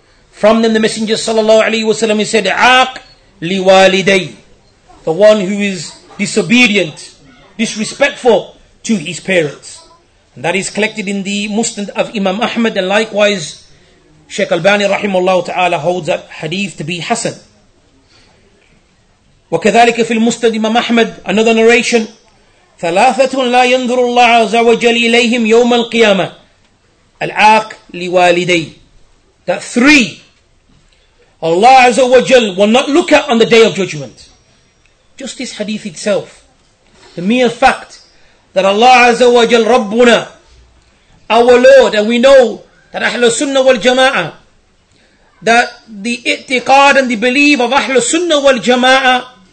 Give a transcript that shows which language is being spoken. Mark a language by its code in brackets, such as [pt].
[en] From them, the Messenger sallallahu alaihi wasallam said, [ar] "عاق لوالدي," [en] the one who is disobedient, disrespectful to his parents. And that is collected in the Musnad of Imam Ahmad, and likewise, Shaykh Albani rahimahullah ta'ala holds that hadith to be hasan. [ar] وكذلك في المسند إمام أحمد [en] another narration [ar] ثلاثة لا ينظر الله عز وجل إليهم يوم القيامة العاق لوالدي. [en] That three, Allah [ar] عز وجل [en] will not look at on the day of judgment. Just this hadith itself, the mere fact that Allah [ar] عز وجل ربنا, [en] our Lord, and we know that [ar] أهل السنة والجماعة, [en] that the اعتقاد and the belief of أهل السنة والجماعة,